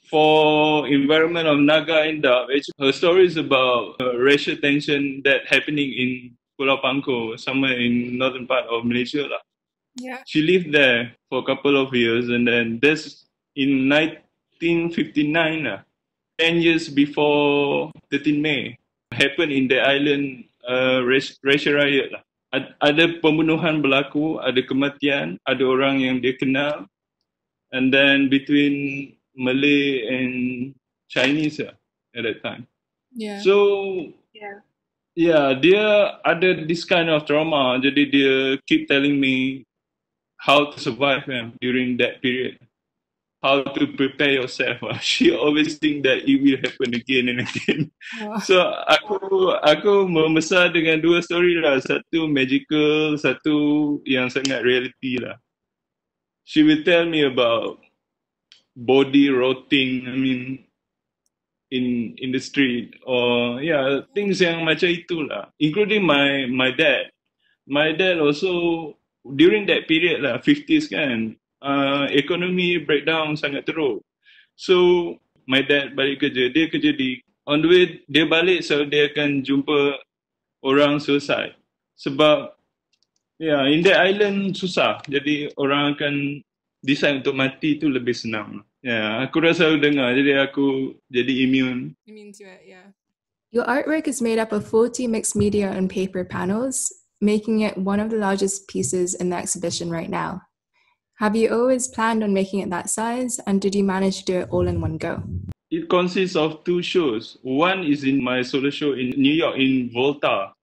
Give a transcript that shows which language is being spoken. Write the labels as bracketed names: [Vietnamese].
[English] For environment of Naga and Doubt, her stories about racial tension that happening in Pulau Pangko, somewhere in northern part of Malaysia. Yeah. She lived there for a couple of years, and then this in 1959, 10 years before 13 May, happened in the island, racial riot. [Malay] Ada pembunuhan berlaku, ada kematian, ada orang yang dia kenal. [English] And then between Malay and Chinese at that time. Yeah. So Yeah, [Malay] dia ada [English] this kind of trauma. [Malay] Jadi dia [English] keep telling me how to survive during that period. How to prepare yourself. She always think that it will happen again and again. [Malay] So aku membesar dengan dua story lah. Satu magical, satu yang sangat reality lah. [English] She will tell me about body rotting, I mean, in the street, or yeah, things [Malay] yang macam itulah, [English] including my dad. My dad also during that period lah, 50s kan, economy breakdown [Malay] sangat teruk. [English] So my dad [Malay] balik kerja, dia kerja di, [English] on the way [Malay] dia balik, so dia akan jumpa orang suicide sebab yeah, [English] in that island [Malay] susah, jadi orang akan design untuk mati tu lebih senang. Yeah, aku dah selalu dengar, jadi aku jadi immune. [English] Immune to it, yeah. Your artwork is made up of 40 mixed media and paper panels, making it one of the largest pieces in the exhibition right now. Have you always planned on making it that size, and did you manage to do it all in one go? It consists of two shows. One is in my solo show in New York, in Volta.